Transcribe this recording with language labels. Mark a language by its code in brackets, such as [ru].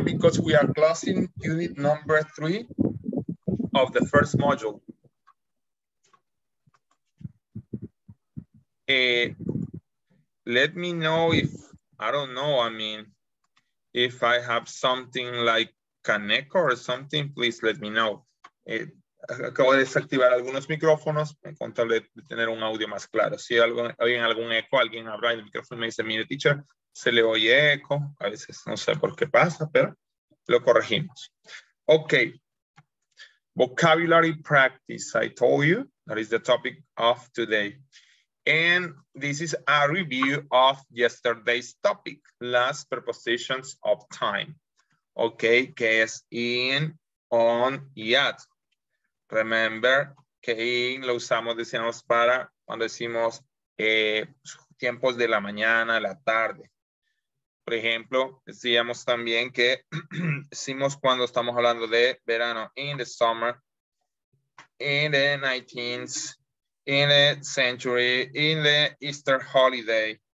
[en] Because we are closing unit number 3 of the first module. Let me know if, I don't know, I mean, if I have something like an echo or something, please let me know. [es] Acabo de desactivar algunos micrófonos con tal de tener un audio más claro. Si hay algún eco, alguien habrá en el micrófono y me dice, mire, teacher, se le oye eco, a veces no sé por qué pasa, pero lo corregimos. [en] Ok, vocabulary practice, I told you, that is the topic of today. And this is a review of yesterday's topic, last prepositions of time. [es] Ok, que es in, on, y at. Remember que in lo usamos, decíamos, para cuando decimos tiempos de la mañana, la tarde. Por ejemplo, decíamos también que decimos cuando estamos hablando de verano, [en] in the summer, in the 19th, in the century, in the Easter holiday.